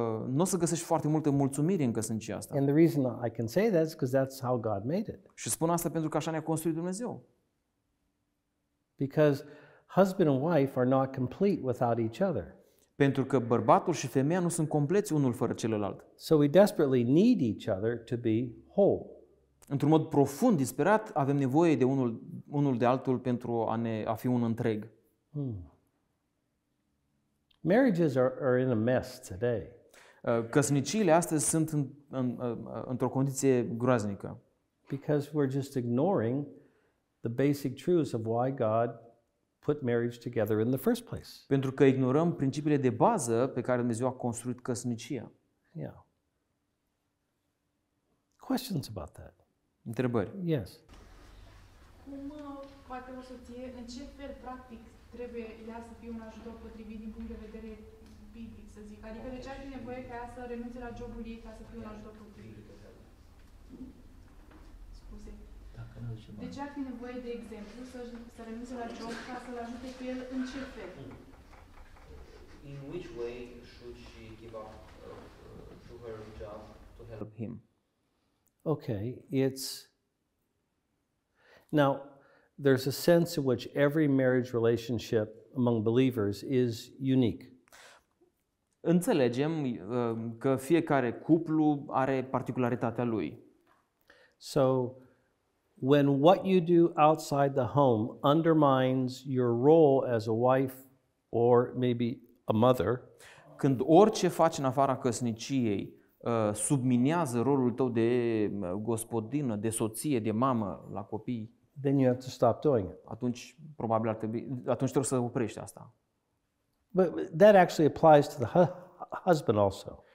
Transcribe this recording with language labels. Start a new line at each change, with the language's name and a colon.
Romanian: N-o să găsești foarte multă mulțumire în căsnicia asta.
English: And the reason I can say that is because that's how God made it.
Romanian: Și spun asta pentru că așa ne-a construit Dumnezeu.
English: Because husband and wife are not complete without each other.
Romanian: Pentru că bărbatul și femeia nu sunt compleți unul fără celălalt.
English: So we desperately need each other to be whole.
Romanian: Într-un mod profund, disperat, avem nevoie de unul de altul pentru a fi un întreg.
English: Marriages are in a mess today.
Romanian: Căsniciile astăzi sunt într-o condiție groaznică.
English: Because we're just ignoring the basic truths of why God put marriage together in the first place.
Romanian: Pentru că ignorăm principiile de bază pe care Dumnezeu a construit căsnicia.
English: Yeah. Questions about that?
Romanian: Întrebări.
English: Yes.
Romanian: Cum poate o soție, în ce fel practic trebuie ea să fie un ajutor potrivit din punct de vedere biblic, să zic? Adică de ce ar fi nevoie ca ea să renunțe la jobul ei ca să fie un ajutor potrivit? Scuze. De ce ar fi nevoie, de exemplu, să renunțe la job ca să-l ajute pe el în ce fel?
English: In which way should she give up to her job to help him? Okay, it's now there's a sense in which every marriage relationship among believers is unique.
Romanian: Înțelegem că fiecare cuplu are particularitatea lui.
English: So when what you do outside the home undermines your role as a wife or maybe a mother,
Romanian: când orice faci în afara căsniciei subminează rolul tău de gospodină, de soție, de mamă la copii.
English: Then you have to stop doing it.
Romanian: Atunci trebuie să oprești asta.
English: But that actually applies to the husband also.